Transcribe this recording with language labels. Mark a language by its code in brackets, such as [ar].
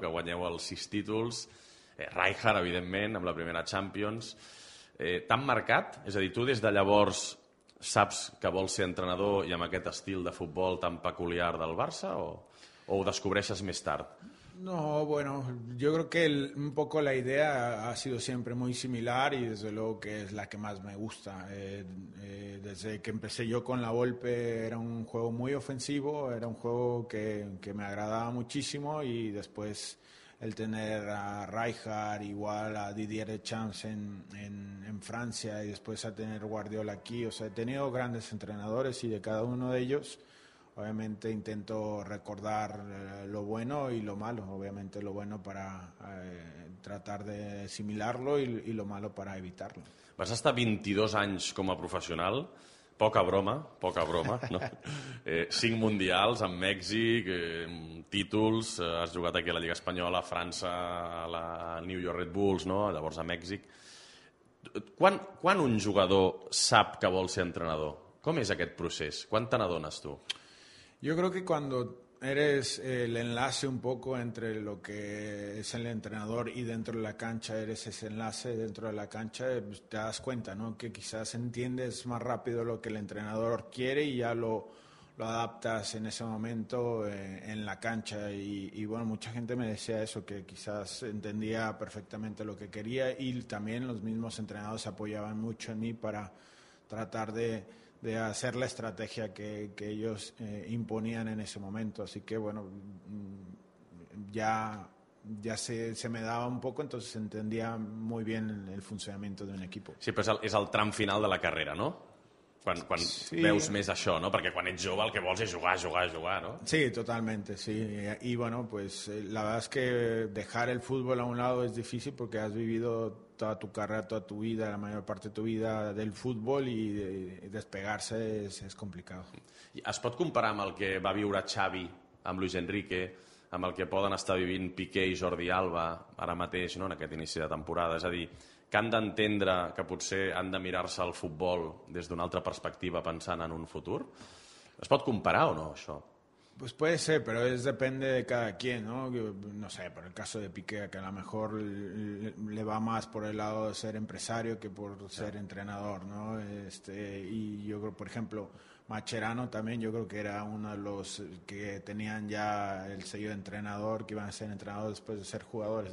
[ca] Que guanyeu els 6 títols, Rijkaard, evidentment, amb la primera Champions. T'han marcat? És a dir, tu des de llavors saps que vols ser entrenador i amb aquest estil de futbol tan peculiar del Barça o ho descobreixes més tard? [es] No, bueno, yo creo que un poco la idea ha sido siempre muy similar y desde luego que es la que más me gusta. Desde que empecé yo con la Volpe era un juego muy ofensivo, era un juego que me agradaba muchísimo y después el tener a Rijkaard, igual a Didier Deschamps en Francia y después a tener Guardiola aquí. O sea, he tenido grandes entrenadores y de cada uno de ellos obviamente intento recordar lo bueno y lo malo. Obviamente lo bueno para tratar de asimilarlo y lo malo para evitarlo. [ca] Vas estar 22 anys com a professional. Poca broma, no? 5 mundials amb Mèxic, títols, has jugat aquí a la Lliga Espanyola, a França, a la New York Red Bulls, no? Llavors a Mèxic. Quan un jugador sap que vol ser entrenador? Com és aquest procés? Quan te n'adones tu? [es] Yo creo que cuando eres el enlace un poco entre lo que es el entrenador y dentro de la cancha, eres ese enlace dentro de la cancha, te das cuenta, ¿no? Que quizás entiendes más rápido lo que el entrenador quiere y ya lo adaptas en ese momento en la cancha. Y bueno, mucha gente me decía eso, que quizás entendía perfectamente lo que quería y también los mismos entrenadores apoyaban mucho en mí para tratar de hacer la estrategia que ellos imponían en ese momento. Así que, bueno, ya se me daba un poco, entonces entendía muy bien el funcionamiento de un equipo. [ca] Sí, però és el tram final de la carrera, no? Quan sí. Veus més això, no? Perquè quan ets jove el que vols és jugar, no? [es] Sí, totalmente, sí. Y bueno, pues la verdad es que dejar el fútbol a un lado es difícil porque has vivido toda tu carrera, toda tu vida, la mayor parte de tu vida del fútbol y despegarse es complicado. [ca] Es pot comparar amb el que va viure Xavi amb Luis Enrique, amb el que poden estar vivint Piqué i Jordi Alba ara mateix, no?, en aquest inici de temporada? És a dir, que han d'entendre que potser han de mirar-se el futbol des d'una altra perspectiva pensant en un futur? Es pot comparar o no, això? [es] Pues puede ser, pero es depende de cada quien, ¿no? No sé, por el caso de Piqué, que a lo mejor le va más por el lado de ser empresario que por ser sí. entrenador, ¿no? Y yo creo, por ejemplo, Mascherano también, yo creo que era uno de los que tenían ya el sello de entrenador, que iban a ser entrenados después de ser jugadores.